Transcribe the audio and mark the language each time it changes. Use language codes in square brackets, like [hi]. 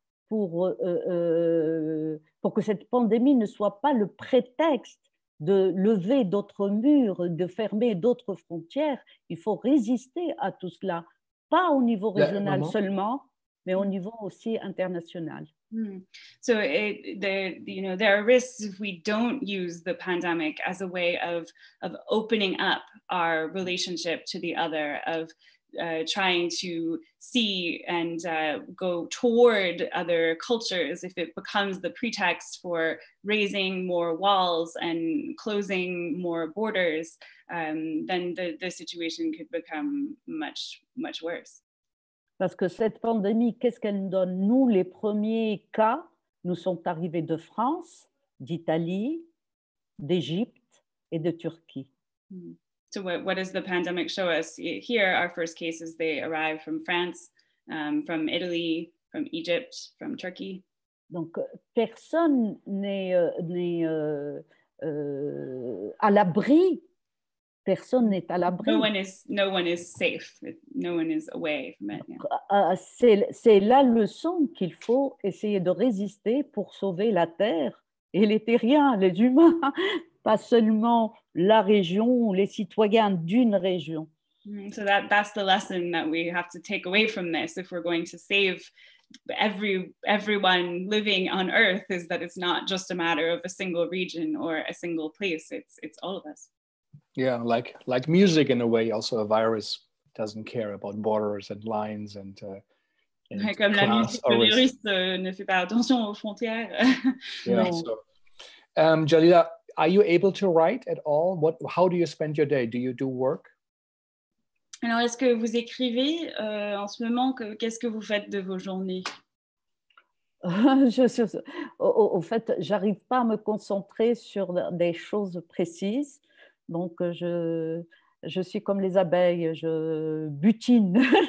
[fr] pour que cette pandémie ne soit pas le prétexte de lever d'autres murs, de fermer d'autres frontières, il faut résister à tout cela, pas au niveau régional seulement, mais au niveau aussi international. [en] So you know, there are risks if we don't use the pandemic as a way of opening up our relationship to the other, of trying to see and go toward other cultures, if it becomes the pretext for raising more walls and closing more borders, then the situation could become much, much worse. [fr] Parce que cette pandémie, qu'est-ce qu'elle nous donne? Nous, les premiers cas nous sont arrivés de France, d'Italie, d'Égypte et de Turquie. [en] So what does the pandemic show us? Here, our first cases, they arrive from France, from Italy, from Egypt, from Turkey. [fr] Donc, personne n'est à l'abri. Personne n'est à l'abri. [en] No one is safe. No one is away from it. Yeah. [fr] C'est la leçon qu'il faut essayer de résister pour sauver la terre et les terriens, les humains, pas seulement la région, les citoyens d'une région. [en] So that's the lesson that we have to take away from this if we're going to save everyone living on Earth, is that it's not just a matter of a single region or a single place. It's all of us. Yeah, like music in a way. Also, a virus doesn't care about borders and lines and [fr] ouais, comme class. Comme la musique, le virus ne fait pas attention aux frontières. [en] Yeah. So, Jalila, are you able to write at all? What? How do you spend your day? Do you do work? [fr] Alors, est-ce que vous écrivez en ce moment? Qu'est-ce que vous faites de vos journées? Au fait, j'arrive pas à me concentrer sur des choses précises. Donc, je suis comme les abeilles, je butine.